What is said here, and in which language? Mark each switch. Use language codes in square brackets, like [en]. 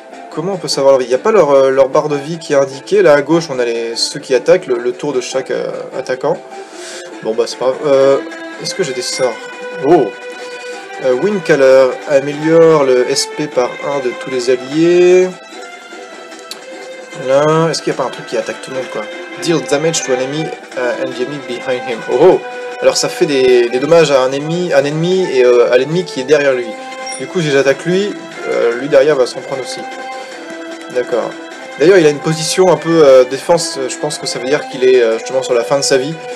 [fr] Comment on peut savoir leur vie? Il n'y a pas leur barre de vie qui est indiquée. Là, à gauche, on a ceux qui attaquent, le tour de chaque attaquant. Bon, bah, c'est pas grave. Est-ce que j'ai des sorts? Oh! Windcaller améliore le SP par 1 de tous les alliés. Là, est-ce qu'il n'y a pas un truc qui attaque tout le monde, quoi? [en] Deal damage to an enemy and the enemy behind him. Oh! [fr] Alors, ça fait des dommages à un ennemi et à l'ennemi qui est derrière lui. Du coup, si j'attaque lui, lui derrière va s'en prendre aussi. D'accord. D'ailleurs, il a une position un peu défense. Je pense que ça veut dire qu'il est justement sur la fin de sa vie.